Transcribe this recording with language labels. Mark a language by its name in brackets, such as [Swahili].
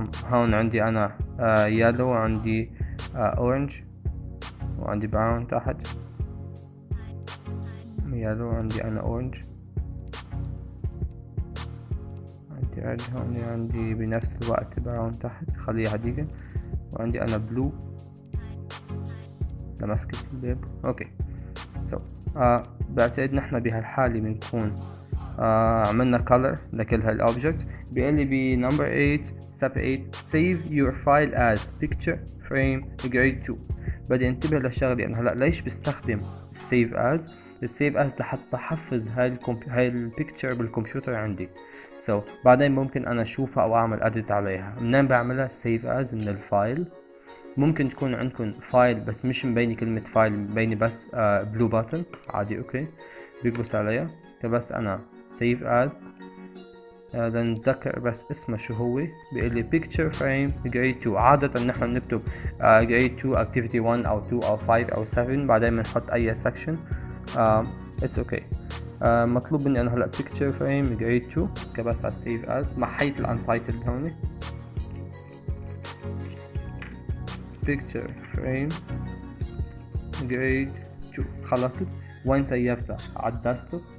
[Arabic] هون عندي انا يالو عندي اورنج وعندي براون تحت يالو عندي انا اورنج عندي رد هون عندي بنفس الوقت براون تحت خليها هديك وعندي انا بلو لمسكة الباب. اوكي سو بعتقد نحن بهالحالة بنكون عملنا color لكل هال object. بيقلي بي [English] number 8 step 8 save your file as picture frame grade 2. [Arabic] بدي انتبه للشغلة انه هلا ليش بستخدم save as. save as لحتى احفظ هاي picture بالكمبيوتر عندي. so بعدين ممكن انا اشوفها او اعمل edit عليها. منين بعملها save as من الفايل. ممكن تكون عندكم فايل بس مش مبيني كلمة فايل مبيني بس blue button عادي. اوكي بيقبس عليها كبس انا save as لنتذكر بس اسمه شو هو. بيقول لي picture frame grade 2. عادة نحن نكتب grade 2 activity 1 او 2 او 5 او 7 بعدين بنحط اي section. [English] it's okay. [Arabic] مطلوب مني انا هلا picture frame grade 2 كبس على save as ما حيت untitled هوني picture frame grade 2 خلصت وين سيفتها على الديسكتوب.